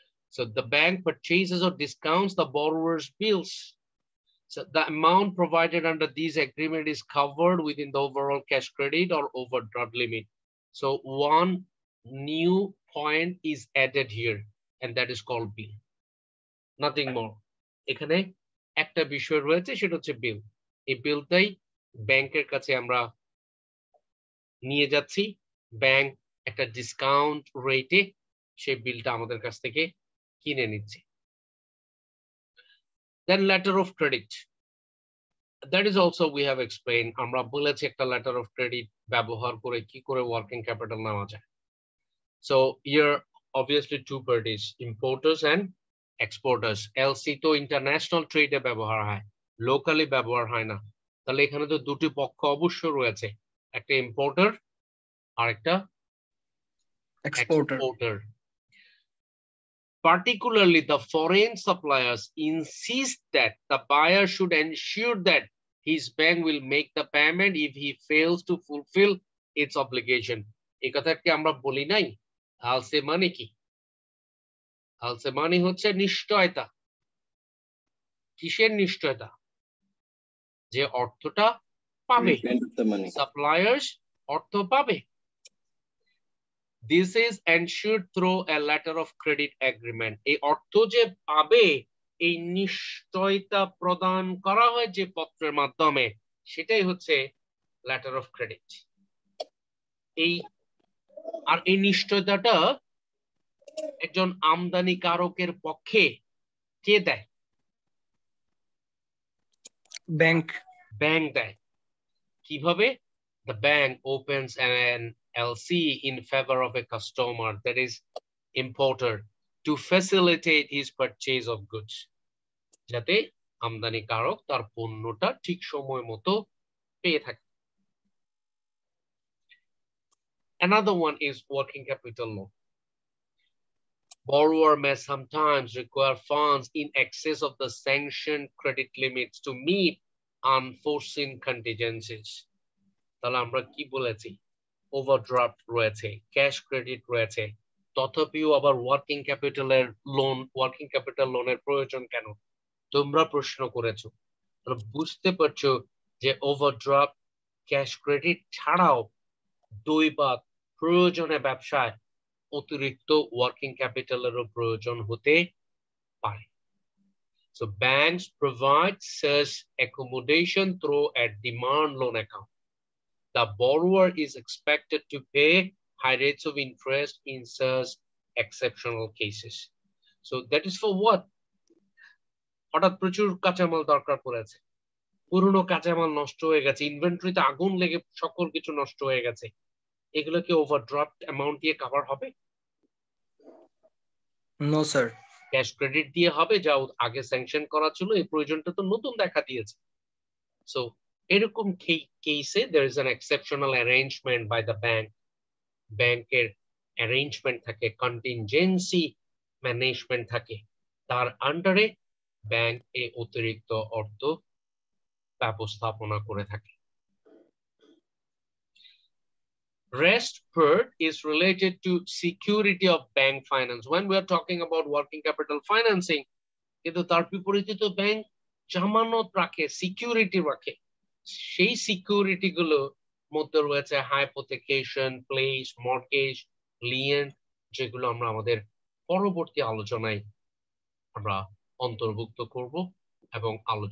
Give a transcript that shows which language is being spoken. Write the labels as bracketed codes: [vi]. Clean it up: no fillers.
[en] So the bank purchases or discounts the borrower's bills. So the amount provided under this agreement is covered within the overall cash credit or overdraft limit. So one new point is added here, and that is called bill. Nothing more. [bn] এখানে একটা বিষয় রয়েছে, সেটা হচ্ছে bill. এই বিলটাই ব্যাংকের কাছে আমরা নিয়ে যাচ্ছি, ব্যাংক একটা ডিসকাউন্ট রেটে সেই বিলটা আমাদের কাছ থেকে কিনে নিচ্ছে. [en] Then letter of credit. That is also we have explained. [bn] আমরা বলেছি একটা letter of credit ব্যবহার করে কি করে working capital নেওয়া যায়. [en] So here obviously two parties, importers and exporters. [bn] LC তো international trade ব্যবহার হয়, locally ব্যবহার হয় না. তাহলে এখানে তো দুটি পক্ষ অবশ্যই রয়েছে, একটা importer আর একটা [en] exporter. Particularly, the foreign suppliers insist that the buyer should ensure that his bank will make the payment if he fails to fulfill its obligation. [bn] এই কথাটাকে আমরা বলি নাই, আলসে মানে কি? আলসে মানে হচ্ছে নিশ্চয়তা. কিসের নিশ্চয়তা? যে অর্থটা পাবে, সাপ্লায়ার্স অর্থ পাবে. [en] This is ensured through a letter of credit agreement. [bn] এই অর্থ যে পাবে, এই নিশ্চয়তা প্রদান করা হয় যে পত্রের মাধ্যমে, সেটাই হচ্ছে letter of credit. এই আর এই নিশ্চয়তাটা একজন আমদানি কারকের পক্ষে কে দেয়? ব্যাংক. ব্যাংক দেয়. কিভাবে? [en] The bank opens an LC in favor of a customer, that is importer, to facilitate his purchase of goods. [bn] যাতে আমদানি কারক তার পণ্যটা ঠিক সময় মতো পেয়ে থাকে. [en] Another one is working capital loan. Borrower may sometimes require funds in excess of the sanctioned credit limits to meet unforeseen contingencies. [bn] তাহলে আমরা কি বলেছি? Overdraft রয়েছে, cash credit রয়েছে, তথাপিও আবার working capital এর loan, working capital loan এর প্রয়োজন কেন? তোমরা প্রশ্ন করেছো, বুঝতে পারছো যে overdraft cash credit ছাড়াও দৈবাত প্রয়োজনে ব্যবসায় অতিরিক্ত ওয়ার্কিং ক্যাপিটালেরও প্রয়োজন হতে পারে. [en] So banks provide such accommodation through a demand loan account. The borrower is expected to pay high rates of interest in such exceptional cases. So that is for what? [bn] হঠাৎ প্রচুর কাঁচামাল দরকার পড়েছে, পুরনো কাঁচামাল নষ্ট হয়ে গেছে, ইনভেন্টরিতে আগুন লেগে সকল কিছু নষ্ট হয়ে গেছে, এগুলো কি ওভারড্রাফট অ্যামাউন্ট দিয়ে কভার হবে? [en] no sir, [bn] ক্যাশ ক্রেডিট দিয়ে হবে, যা আগে স্যাংশন করা ছিল, এই প্রয়োজনটা তো নতুন দেখা দিয়েছে. [en] so [bn] এরকম কেসে [en] There is an exceptional arrangement by the bank. [bn] ব্যাংকের অ্যারেঞ্জমেন্ট থাকে, কন্টিনজেন্সি ম্যানেজমেন্ট থাকে, তার আন্ডারে ব্যাংক এই অতিরিক্ত অর্থ ব্যবস্থাপনা করে থাকে. [en] Rest part is related to security of bank finance. When we are talking about working capital financing, [bn] কিন্তু তার বিপরীতে তো ব্যাংক জামানত রাখে, সিকিউরিটি রাখে. সেই সিকিউরিটি গুলো মধ্যে রয়েছে হাইপোথেকেশন, প্লেস, মর্গেজ, লিয়েন, যেগুলো আমরা আমাদের পরবর্তী আলোচনায় আমরা অন্তর্ভুক্ত করব এবং আলোচনা